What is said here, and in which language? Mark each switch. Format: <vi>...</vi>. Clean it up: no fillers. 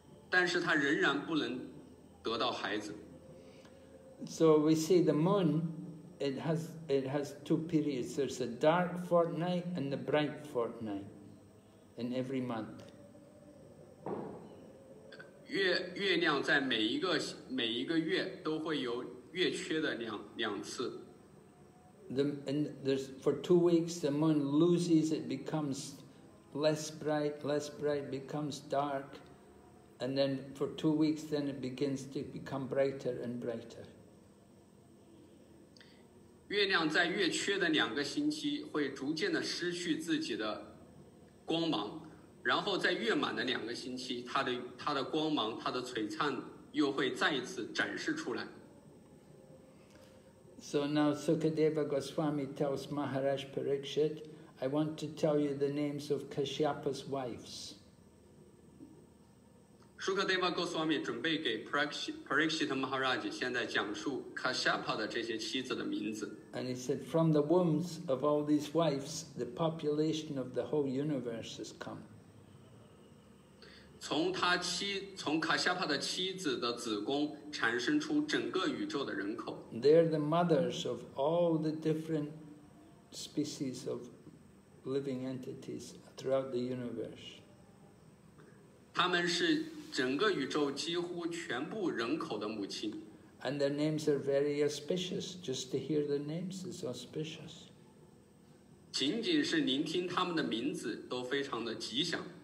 <zh>但是他仍然不能得到孩子。</zh> <en>So we see the moon. It has two periods. There's a dark fortnight and the bright fortnight in every month.</en> <zh>月亮在每一个月都会有月缺的两次。</zh> <en>For 2 weeks, the moon loses, it becomes less bright, becomes dark, and then for 2 weeks, then it begins to become brighter and brighter.</en> <zh>月亮在月缺的两个星期会逐渐的失去自己的光芒，然后在月满的两个星期，它的光芒，它的璀璨又会再一次展示出来。</zh> <en>So now Sukadeva Goswami tells Maharaj Parikshit, I want to tell you the names of Kashyapa's wives.</en> <zh>Sukadeva Goswami 准备给 Parikshit Maharaj 现在讲述 Kashyapa 的这些妻子的名字。</zh> <en>And he said, from the wombs of all these wives, the population of the whole universe has come.</en> <zh>从 Kashyapa 的妻子的子宫产生出整个宇宙的人口。</zh> <en>They're the mothers of all the different species of living entities throughout the universe.</en> <zh>他们是整个宇宙几乎全部人口的母亲。</zh> <en>And their names are very auspicious. Just to hear their names is auspicious.</en> <zh>仅仅是聆听他们的名字都非常的吉祥。</zh>